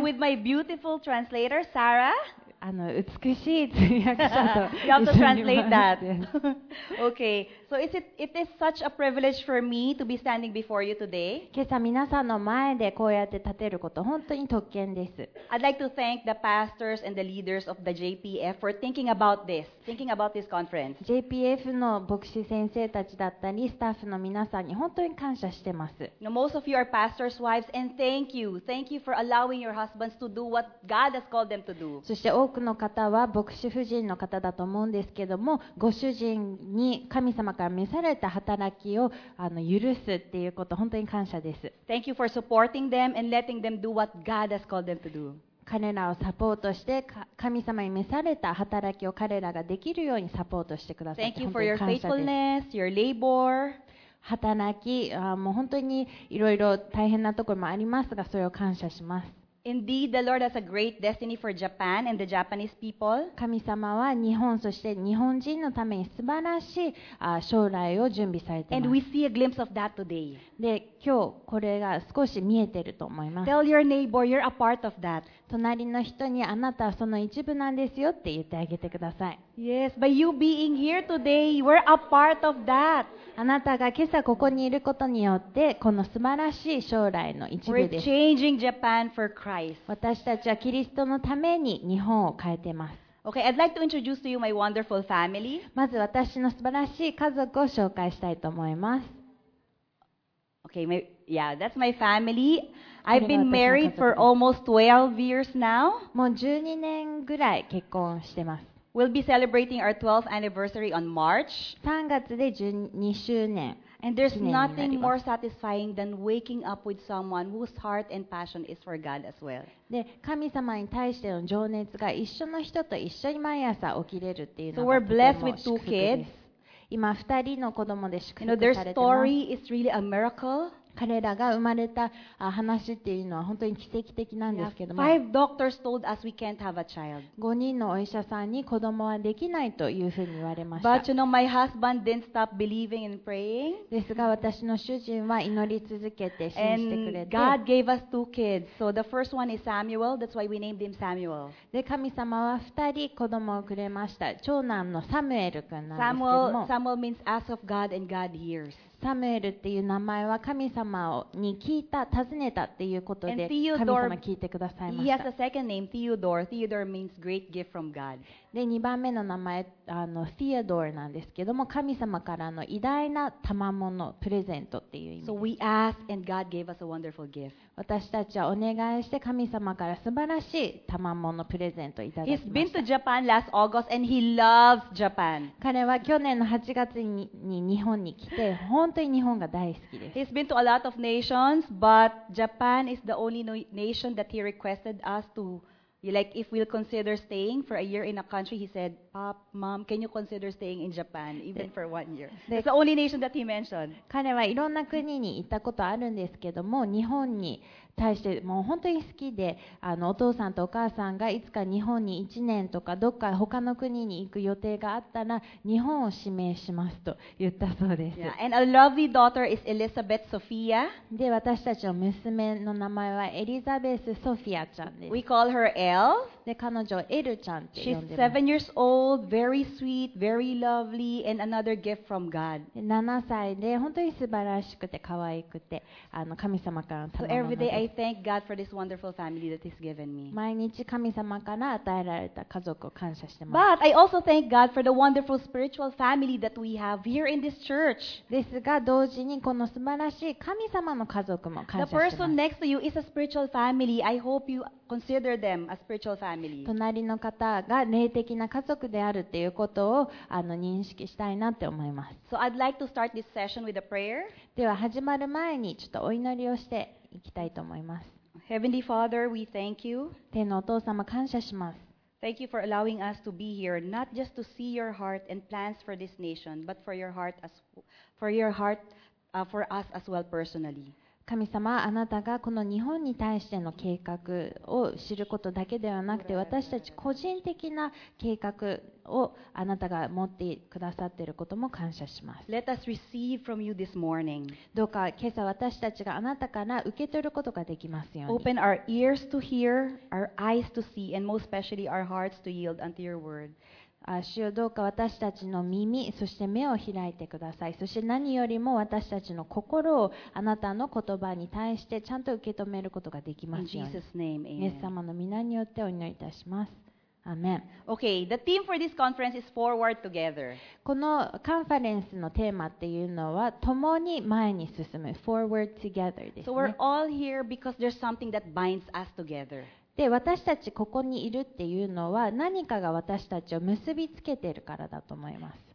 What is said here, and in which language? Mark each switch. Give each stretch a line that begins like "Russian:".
English: I'm with my beautiful translator, Sarah.
Japanese: 美しい通訳者と
English: You have to translate that. Okay, so it is such a privilege for me to be standing before you today.
Japanese: 今朝、皆さんの前でこうやって立てること、本当に特権です。
English: I'd like to thank the pastors and the leaders of the JPF for thinking about this conference.
Japanese: JPF の牧師先生たちだったり、スタッフの皆さんに本当に感謝してます。
English: Now, most of you are pastors' wives, and thank you for allowing your husbands to do what God has called them to do.
Japanese: そして多くの方は牧師夫人の方だと思うんですけども、ご主人に神様から召された働きを許すっていうこと、本当に感謝です。
English: Thank you for supporting them and letting them do what God has called them to do.
Japanese: 彼らをサポートして、神様に召された働きを彼らができるようにサポートしてくださって、
English: Thank you for your faithfulness, your labor.
Japanese: 働き、もう本当にいろいろ大変なところもありますが、それを感謝します。
English: Indeed, the Lord has a great destiny for Japan and the Japanese people.
Japanese: 神様は日本、そして日本人のために素晴らしい将来を準備されています
English: 。 And we see a glimpse of that today.
Japanese: で、今日これが少し見えていると思います。
English: Tell your neighbor you're a part of that.
Japanese: 隣の人に、あなたはその一部なんですよって言ってあげてください。
English: Yes, by you being here today, we're a part of that.
Japanese: あなたが今朝ここにいることによって、この素晴らしい将来の一部です。
English: We're changing Japan for Christ.
Japanese: 私たちはキリストのために日本を変えてます。
English: Okay, I'd like to introduce to you my wonderful family.
Japanese: まず私の素晴らしい家族を紹介したいと思います。
English: Okay, yeah, that's my family. I've been married for almost 12 years now.
Japanese: もう12年ぐらい結婚してます。
English: We'll be celebrating our 12th anniversary on March.
Japanese: 3月で12周年。
English: And there's nothing more satisfying than waking up with someone whose heart and passion is for God as well.
Japanese: で、神様に対しての情熱が一緒の人と一緒に毎朝起きれるっていうのが、
English: So we're blessed with two kids.
Japanese: 今2人の子供で祝福されてます。
English: Their story is really a miracle.
Japanese: 彼らが生まれた話っていうのは本当に奇跡的なんですけども、
English: Five doctors told us we can't have a child.
Japanese: 5人のお医者さんに子供はできないというふうに言われました。
English: But you know, my husband didn't stop believing and praying.
Japanese: ですが、私の主人は祈り続けて信じてくれて、
English: And God gave us two kids. So the first one is Samuel. That's why we named him Samuel.
Japanese: で、神様は2人子供をくれました。長男のサムエル君なんですけども、
English: Samuel means ask of God and God hears.
Japanese: サムエルっていう名前は神様に聞いた、尋ねたっていうことで神様聞いてくださいました。
English: He has a second name, Theodore. Theodore means great gift from God.
Japanese: で、2番目の名前、Theodore なんですけども、神様からの偉大な賜物、プレゼントっていう意味です。
English: So we asked and God gave us a wonderful gift.
Japanese: 私たちはお願いして神様から素晴らしい賜物、プレゼントをいただきました。
English: He's been to Japan last August and he loves Japan.
Japanese: 彼は去年の8月に日本に来て、本当に日本が大好きです。
English: He's been to a lot of nations, but Japan is the only nation that he requested us to, like, if we'll consider staying for a year in a country, he said, Pop, Mom, can you consider staying in Japan even for one year? It's the only nation that he mentioned.
Japanese: 彼はいろんな国に行ったことあるんですけども、日本に対してもう本当に好きで、お父さんとお母さんがいつか日本に1年とかどっか他の国に行く予定があったら日本を指名しますと言ったそうです。
English: Yeah, and a lovely daughter is Elizabeth Sophia.
Japanese: で、私たちの娘の名前はエリザベス・ソフィアちゃんです。
English: We call her Elle.
Japanese: で、彼女をエルちゃんって呼んでます。
English: She's 7 years old, very sweet, very lovely, and another gift from God.
Japanese: 7歳で本当に素晴らしくて可愛くて、神様からの賜物です。
English: So every day I thank God for this wonderful family that He's given me.
Japanese: 毎日神様から与えられた家族を感謝してます。
English: But I also thank God for the wonderful spiritual family that we have here in this church.
Japanese: ですが、同時にこの素晴らしい神様の家族も感謝してます。
English: The person next to you is a spiritual family. I hope you consider them a spiritual family.
Japanese: 隣の方が霊的な家族であるっていうことを認識したいなって思います。
English: So I'd like to start this session with a prayer.
Japanese: では始まる前にちょっとお祈りをして行きたいと思います。
English: Heavenly Father, we thank you.
Japanese: 天のお父様、感謝します。
English: Thank you for allowing us to be here, not just to see your heart and plans for this nation, but for your heart for us as well personally.
Japanese: 神様、あなたがこの日本に対しての計画を知ることだけではなくて、私たち個人的な計画をあなたが持ってくださっていることも感謝します。
English: Let us receive from you this morning.
Japanese: どうか今朝私たちがあなたから受け取ることができますように。
English: Open our ears to hear, our eyes to see, and most especially our hearts to yield unto your word.
Japanese: 主よ、どうか私たちの耳、そして目を開いてください。そして何よりも私たちの心をあなたの言葉に対してちゃんと受け止めることができますように。
English: In Jesus' name, amen.
Japanese: イエス様の御名によってお祈りいたします。アーメン。
English: Okay, the theme for this conference is forward together.
Japanese: このカンファレンスのテーマっていうのは、共に前に進む。
English: Forward together
Japanese: ですね。
English: So we're all here because there's something that binds us together.
Japanese: で、私たちここにいるっていうのは何かが私たちを結びつけているからだと思います。